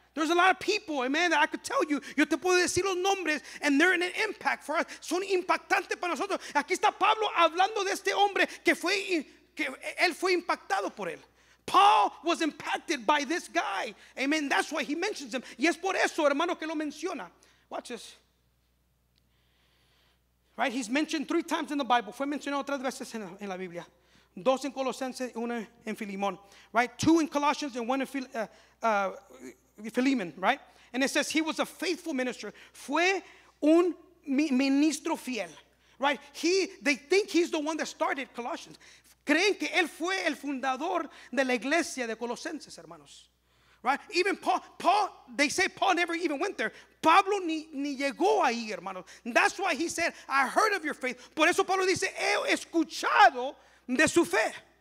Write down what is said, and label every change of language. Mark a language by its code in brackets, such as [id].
[en] There's a lot of people, amen, that I could tell you. [es] Yo te puedo decir los nombres, [en] and they're in an impact for us. [es] Son impactantes para nosotros. Aquí está Pablo hablando de este hombre que él fue impactado por él. [en] Paul was impacted by this guy. Amen. That's why he mentions him. [es] Y es por eso, hermano, que lo menciona. [en] Watch this. Right? He's mentioned 3 times in the Bible. [es] Fue mencionado 3 veces en la Biblia. 2 en Colosenses, 1 en Filimón. [en] Right? 2 in Colossians and 1 in Philemon. Right? And it says he was a faithful minister. [es] Fue un ministro fiel. [en] Right? They think he's the one that started Colossians. [es] Creen que él fue el fundador de la iglesia de Colosenses, hermanos. [en] Right? Even Paul, they say Paul never even went there. [es] Pablo ni llegó ahí, hermanos. [en] That's why he said, I heard of your faith. [es] Por eso Pablo dice, he escuchado de su fe.